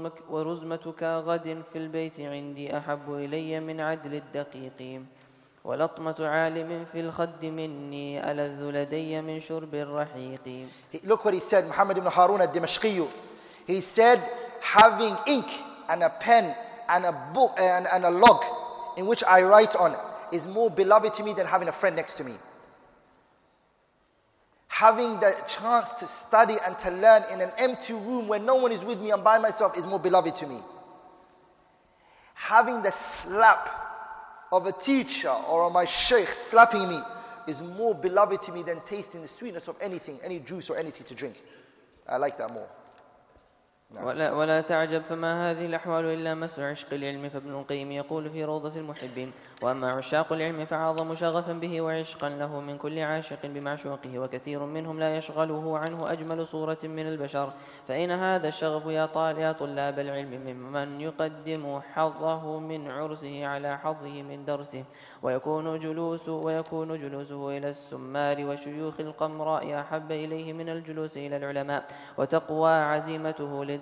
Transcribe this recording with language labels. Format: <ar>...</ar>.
<ar>ورزمتك غد في البيت عندي أحب إلي من عدل الدقيق. ولطمة عالم في الخد مني ألذ لدي من شرب الرحيق.</ar> <en>Look what he said, Muhammad ibn Harun al-Dimashqi. He said, having ink and a pen and a book and a log in which I write on is more beloved to me than having a friend next to me. Having the chance to study and to learn in an empty room where no one is with me and by myself is more beloved to me. Having the slap of a teacher or of my sheikh slapping me is more beloved to me than tasting the sweetness of anything, any juice or anything to drink. I like that more.</en> <ar>ولا تعجب فما هذه الأحوال إلا مس عشق العلم. فابن القيم يقول في روضة المحبين: وأما عشاق العلم فعظم شغفا به وعشقا له من كل عاشق بمعشوقه، وكثير منهم لا يشغله عنه أجمل صورة من البشر. فإن هذا الشغف يا طلاب العلم ممن يقدم حظه من عرسه على حظه من درسه، ويكون جلوسه إلى السمار وشيوخ القمراء أحب إليه من الجلوس إلى العلماء، وتقوى عزيمته</ar>